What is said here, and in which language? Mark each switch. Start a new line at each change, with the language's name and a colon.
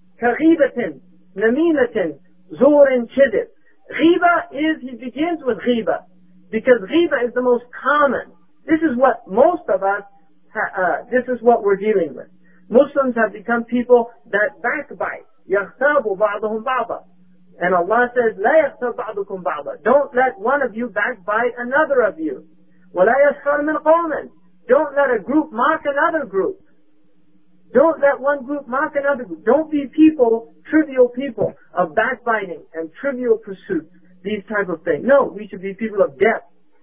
English: Kaghibatin, namimatin, zurin chidit. Ghiba is, he begins with ghiba, because ghiba is the most common. This is what most of us, this is what we're dealing with. Muslims have become people that backbite.
Arabic: يَخْتَابُ بَعْضُهُمْ بَعْضًا.
English: And Allah says,
Arabic: لَا يَخْتَابُ بَعْضُكُمْ بَعْضًا.
English: Don't let one of you backbite another of you.
Arabic: وَلَا يَسْخَرْ مِنْ قَوْمٍ.
English: Don't let a group mock another group. Don't let one group mock another group. Don't be people, trivial people, of backbiting and trivial pursuits, these type of things. No, we should be people of depth.